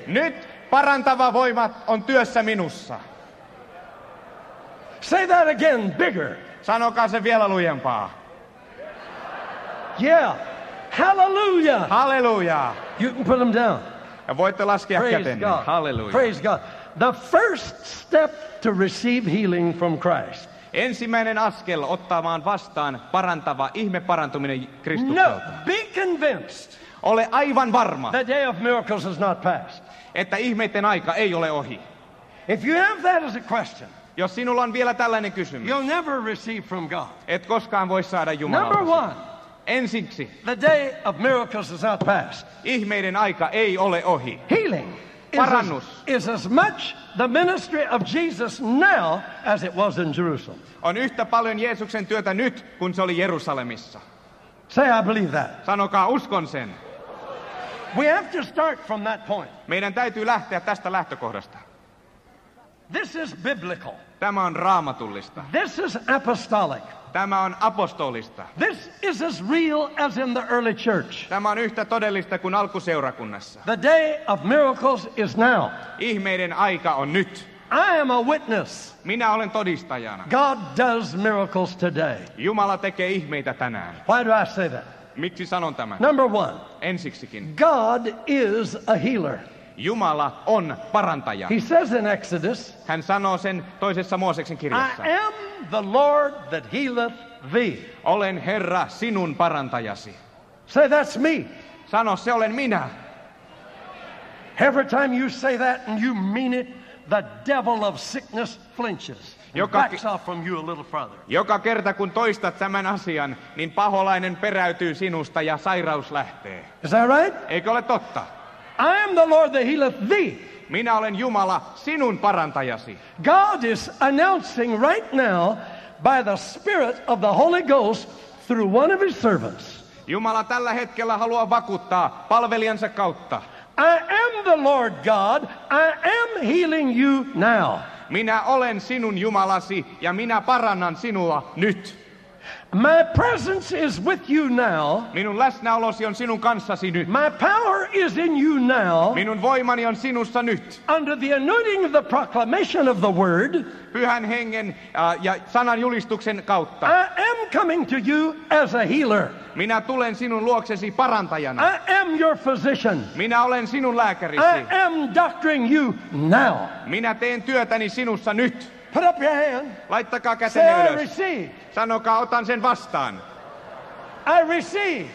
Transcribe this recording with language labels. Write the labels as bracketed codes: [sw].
[fi] Nyt parantava voima on työssä minussa. [en] Say that again bigger. [fi] Sanokaa se vielä lujempaa. [en] Yeah. Hallelujah. Hallelujah. You can put them down. [fi] Ja voitte laskea käteen. Hallelujah. [en] Praise God. The first step to receive healing from Christ. [fi] Ensimmäinen askel ottamaan vastaan parantava ihme parantuminen Kristukselta. [en] No, be convinced. [fi] Ole aivan varma. [en] The day of miracles is not past. [fi] Että ihmeiden aika ei ole ohi. [en] If you have that as a question. [fi] Jos sinulla on vielä tällainen kysymys. [en] You'll never receive from God. [fi] Et koskaan voi saada Jumalalta. [en] Number one. [fi] Ensiksi. [en] The day of miracles is not past. [fi] Ihmeiden aika ei ole ohi. [en] Healing. [fi] Parannus [en] is as much the ministry of Jesus now as it was in Jerusalem. [fi] On yhtä paljon Jeesuksen työtä nyt kuin se oli Jerusalemissa. [en] Say I believe that. [fi] Sanokaa uskon sen. [en] We have to start from that point. [fi] Meidän täytyy lähteä tästä lähtökohdasta. [en] This is biblical. [fi] Tämä on raamatullista. [en] This is apostolic. [fi] Tämä on apostolista. [en] This is as real as in the early church. [fi] Tämä on yhtä todellista kuin alkuseurakunnassa. [en] The day of miracles is now. [fi] Ihmeiden aika on nyt. [en] I am a witness. [fi] Minä olen todistajana. [en] God does miracles today. [fi] Jumala tekee ihmeitä tänään. [en] Why do I say that? [fi] Miksi sanon tämän? [en] Number one. [fi] Ensiksikin. [en] God is a healer. [fi] Jumala on parantaja. [en] He says in Exodus, [fi] hän sanoo sen toisessa Mooseksen kirjassa. [en] I am the Lord that healeth thee. [fi] Olen Herra sinun parantajasi. [en] Say that's me. [fi] Sano se olen minä. [en] Every time you say that and you mean it, the devil of sickness flinches. Backs off from you a little further. [fi] Joka kerta kun toistat tämän asian, niin paholainen peräytyy sinusta ja sairaus lähtee. [en] Is that right? [fi] Eikö ole totta? [en] I am the Lord that healeth thee. [fi] Minä olen Jumala, sinun parantajasi. [en] God is announcing right now by the Spirit of the Holy Ghost through one of his servants. [fi] Jumala tällä hetkellä haluaa vakuuttaa palvelijansa kautta. [en] I am the Lord God, I am healing you now. [fi] Minä olen sinun Jumalasi ja minä parannan sinua nyt. [en] My presence is with you now. [fi] Minun läsnäolosi on sinun kanssasi nyt. [en] My power is in you now. [fi] Minun voimani on sinussa nyt. [en] Under the anointing of the proclamation of the word. [fi] Pyhän hengen ja sanan julistuksen kautta. [en] I am coming to you as a healer. [fi] Minä tulen sinun luoksesi parantajana. [en] I am your physician. [fi] Minä olen sinun lääkärisi. [en] I am doctoring you now. [fi] Minä teen työtäni sinussa nyt. [en] Put up your hand. [fi] Laittakaa kätenne [en] say, [fi] ylös. [en] I receive. [fi] Sanokaa, otan sen vastaan. [en] I receive.